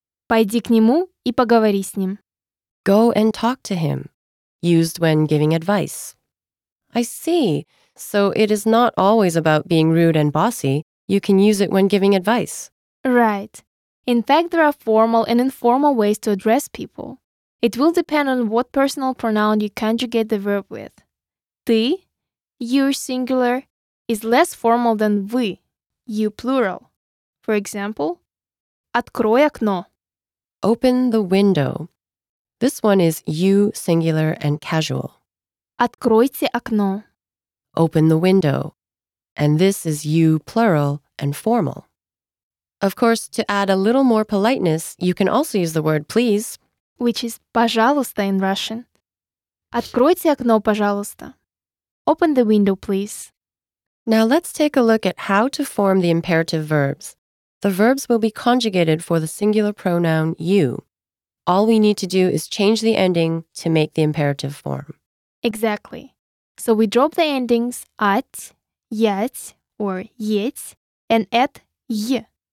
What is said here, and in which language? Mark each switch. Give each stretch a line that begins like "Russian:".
Russian: Пойди к нему и поговори с ним.
English: Go and talk to him, used when giving advice. I see. So it is not always about being rude and bossy. You can use it when giving advice. Right. In fact, there are formal and informal ways to address people. It will depend on what personal pronoun you conjugate the verb with. Ты your singular is less formal than вы, you plural. For example,
Russian: открой окно.
English: Open the window. This one is you singular and casual.
Russian: Откройте окно.
English: Open the window. And this is you plural and formal. Of course, to add a little more politeness, you can also use the word please. Which is пожалуйста in Russian.
Russian: Откройте окно, пожалуйста.
English: Open the window, please. Now let's take a look at how to form the imperative verbs. The verbs will be conjugated for the singular pronoun you. All we need to do is change the ending to make the imperative form. Exactly. So we drop the endings at, yet, or yet, and at y.